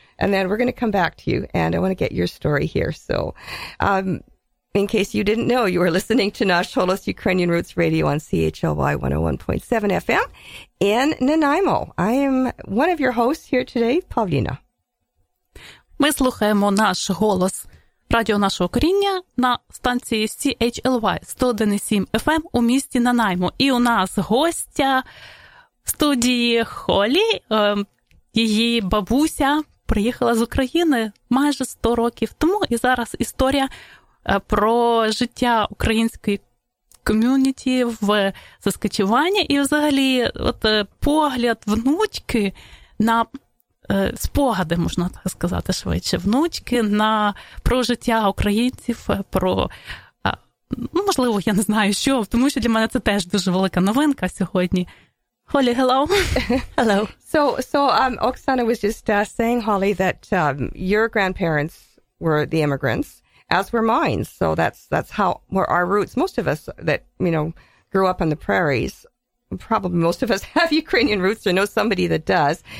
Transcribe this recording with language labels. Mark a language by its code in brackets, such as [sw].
[en] And then we're going to come back to you. And I want to get your story here. So, in case you didn't know, you are listening to Nash Holos Ukrainian Roots Radio on CHLY 101.7 FM in Nanaimo. I am one of your hosts here today, Pavlina. [uk] Ми слухаємо наш голос радіо нашого коріння на станції CHLY 101.7 FM у місті Нанаймо. І у нас гостя в студії Холі, її бабуся приїхала з України майже 100 років тому, і зараз історія про життя української ком'юніті в Саскачевані і взагалі от погляд внучки на спогади, можна так сказати, швидше, внучки на про життя українців, про, ну, можливо, я не знаю, що, тому що для мене це теж дуже велика новинка сьогодні. [en] Holly, hello. Hello. So Oksana was just saying, Holly, that your grandparents were the immigrants, as were mine. So that's how were our roots. Most of us that, you know, grew up on the prairies, probably most of us have Ukrainian roots or know somebody that does.